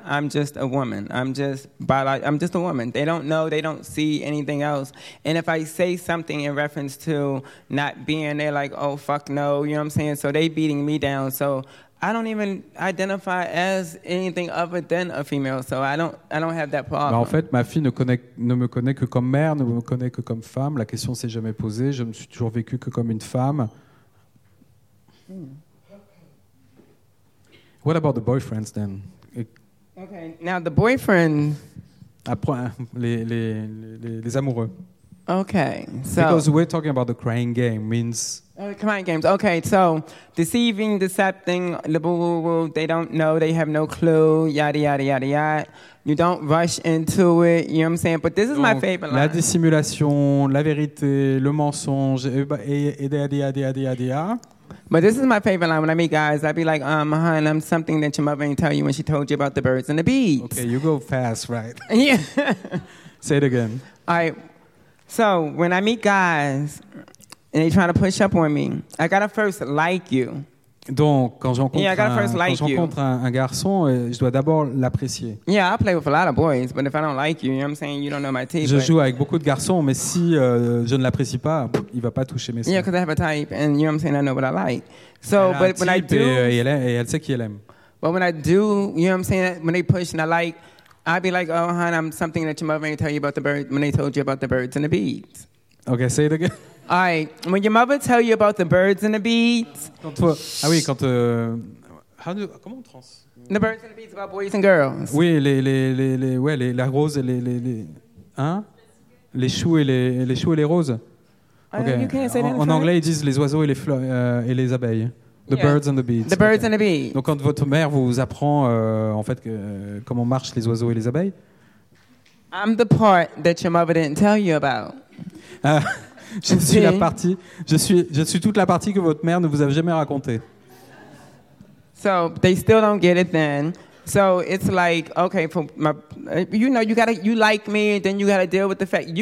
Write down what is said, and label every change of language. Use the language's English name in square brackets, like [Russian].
[English] I'm just a woman. I'm just a woman. They don't know, they don't see anything else. And if I say something in reference to not being, they're like, oh, fuck no, you know what I'm saying? So they beating me down, so... I don't even identify as anything other than a female, so I don't have that problem. [French] Mais en fait, ma fille ne me connaît que comme mère, ne me connaît que comme femme. La question s'est jamais posée. Je me suis toujours vécu que comme une femme. [English] Hmm. What about the boyfriends then? Okay, now the boyfriend. [French] Après, les amoureux. [English] Okay, so because we're talking about the crying game means. Crying games. Okay, so deceiving, decepting, they don't know, they have no clue, yada, yada, yada, yada. You don't rush into it, you know what I'm saying? But this is my favorite line. [French] La dissimulation, la vérité, le mensonge, et yada, yada, yada, yada. [English] But this is my favorite line. When I meet guys, I'd be like, hon, I'm something that your mother ain't tell you when she told you about the birds and the bees. Okay, you go fast, right? Yeah. Say it again. All right. So when I meet guys... And they're trying to push up on me. I gotta first like you. [French] Donc, quand j'encontre un garçon, je dois d'abord l'apprécier. [English] Yeah, I play with a lot of boys, but if I don't like you, you know what I'm saying, you don't know my type. [French] Je joue avec beaucoup de garçons, mais si je ne l'apprécie pas, il va pas toucher mes seins. [English] Yeah, because I have a type, and you know what I'm saying, I know what I like. So, but when I do, [French] elle sait qui elle aime. [English] But when I do, you know what I'm saying, when they push and I like, I'd be like, oh, hon, I'm something that your mother ain't tell you about the birds when they told you about the birds and the bees. Okay, say it again. All right. When your mother tell you about the birds and the bees. [French] Comment on trans? [English] The birds and the bees about boys and girls. [French] Oui, la rose et les choux et les roses. [English] Okay. You can't say that [French] en anglais, ils disent les oiseaux et les fleurs et les abeilles. [English] The birds and the bees. The birds and the bees. [French] Donc quand votre mère vous apprend en fait comment marchent les oiseaux et les abeilles. [English] I'm the part that your mother didn't tell you about. [French] Je suis toute la partie que votre mère ne vous a jamais racontée. [English] So they still don't get it then. So it's like, okay, for my, you know, you like me, then you gotta deal with the fact.